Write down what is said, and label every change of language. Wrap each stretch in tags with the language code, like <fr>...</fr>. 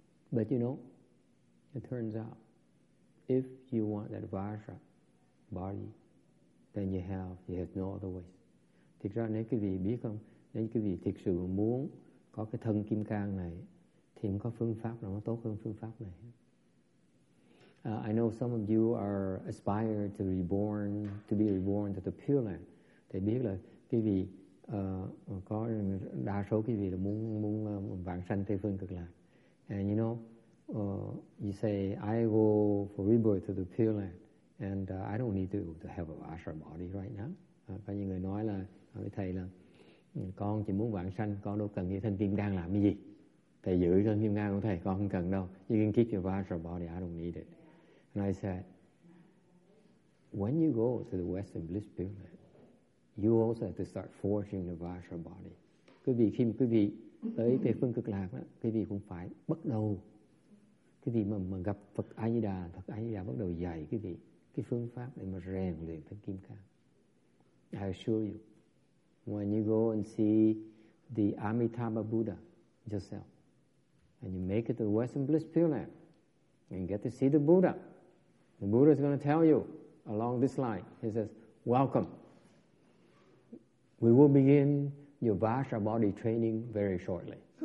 <en>But you know, it turns out if you want that vajra body, then you have no other way.</en> <vi>Thực ra nếu quý vị biết không, nếu quý vị thực sự muốn có cái thân kim cang này thì có phương pháp nào nó tốt hơn phương pháp này.</vi> <en>I know some of you are aspired to reborn, to be reborn to the Pure Land.</en> <vi>Thì biết là quý vị có đa số quý vị là muốn vãng sanh Tây Phương Cực Lạc.</vi> <en>And you know, you say, I go for rebirth to the Pure Land, and I don't need to have a vajra body right now.</en> <vi>Có những người nói là, nói với thầy là, con chỉ muốn vãng sanh, con đâu cần cái thân kim cang làm cái gì. Thầy giữ thân kim cang của thầy, con không cần đâu.</vi> <en>You can keep your vajra body, I don't need it. And I said, when you go to the Western Bliss Pure Land, you also have to start forging the vajra body.</en> <vi>Quý vị, khi mà quý vị tới Tây Phương Cực Lạc, đó, quý vị cũng phải bắt đầu. Cái gì mà gặp Phật A Di Đà, Phật A Di Đà bắt đầu dạy cái gì, cái phương pháp để mà rèn luyện thân kim cang.</vi> <en>I assure you, when you go and see the Amitabha Buddha yourself, and you make it to the Western Bliss Pure Land, and get to see the Buddha is going to tell you along this line. He says, "Welcome. We will begin your Vajra body training very shortly."</en>